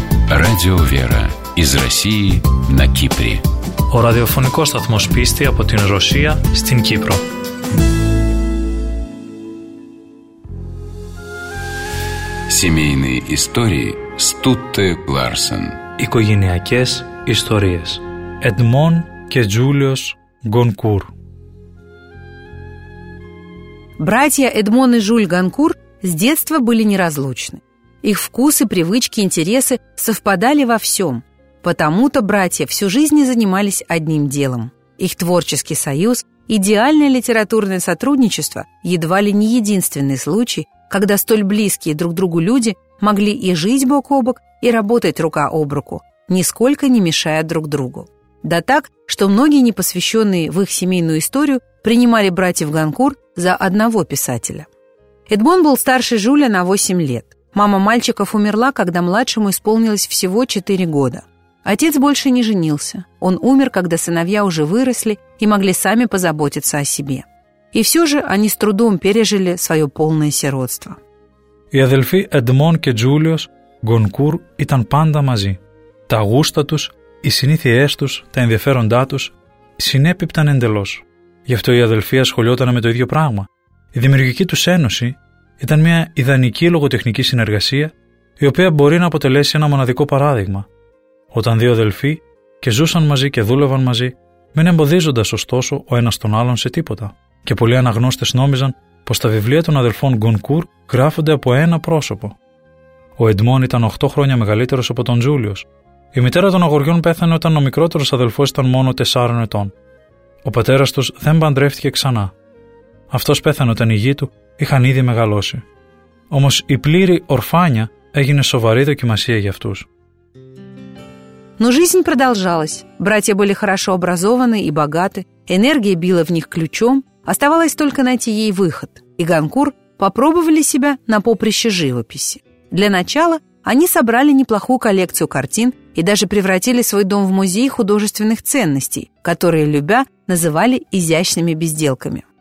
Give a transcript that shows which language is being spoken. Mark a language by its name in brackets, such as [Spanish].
[Russian] Радио Вера из России на Кипре. [Greek] О радиофонико сатмос писти апо тин Россия стин Кипро. [Russian] Семейные истории Стутте Ларсен. [Greek] Οικογενειακές ιστορίες. Εντμόν και Τζούλιος Γκονκούρ. [Russian] Братья Эдмон и Жюль Гонкур с детства были неразлучны. Их вкусы, привычки, интересы совпадали во всем. Потому-то братья всю жизнь и занимались одним делом. Их творческий союз, идеальное литературное сотрудничество едва ли не единственный случай, когда столь близкие друг другу люди могли и жить бок о бок, и работать рука об руку, нисколько не мешая друг другу. Да так, что многие непосвященные в их семейную историю принимали братьев Гонкур за одного писателя. Эдмон был старше Жюля на 8 лет. Мама мальчиков умерла, когда младшему исполнилось всего 4 года. Отец больше не женился. Он умер, когда сыновья уже выросли и могли сами позаботиться о себе. И все же они с трудом пережили свое полное сиротство. [Greek] Οι αδελφοί Εντμόν και Τζούλιος Γκονκούρ ήταν πάντα μαζί. Τα γούστα τους, οι συνήθειές τους, τα ενδιαφέροντά τους συνέπιπταν εντελώς. Γι' αυτό οι αδελφοί ασχολιόταν με το ίδιο πράγμα. Η δημιουργική τους ένωση ήταν μια ιδανική λογοτεχνική συνεργασία, η οποία μπορεί να αποτελέσει ένα μοναδικό παράδειγμα. Όταν δύο αδελφοί και ζούσαν μαζί και δούλευαν μαζί, μην εμποδίζοντας ωστόσο ο ένας τον άλλον σε τίποτα. Και πολλοί αναγνώστες νόμιζαν πως τα βιβλία των αδελφών Γκονκούρ γράφονται από ένα πρόσωπο. Ο Εντμόν ήταν 8 χρόνια μεγαλύτερος από τον Τζούλιος. Η μητέρα των αγοριών πέθανε όταν ο μικρότερος αδελφός ήταν μόνο 4 ετών. Ο πατέρας τους δεν παντρεύτηκε ξανά. Αυτός πέθανε όταν οι γη του είχαν ήδη μεγαλώσει. Όμως η πλήρη ορφάνια έγινε σοβαρή δοκιμασία για αυτούς. [Russian] Но жизнь продолжалась. Братья были хорошо образованы и богаты. Энергия била в них ключом. Оставалось только найти ей выход. И Гонкур попробовали себя на поприще живописи. Для начала они собрали неплохую коллекцию картин и даже превратили свой дом в музей художественных ценностей, которые, любя, называли изящными безделками.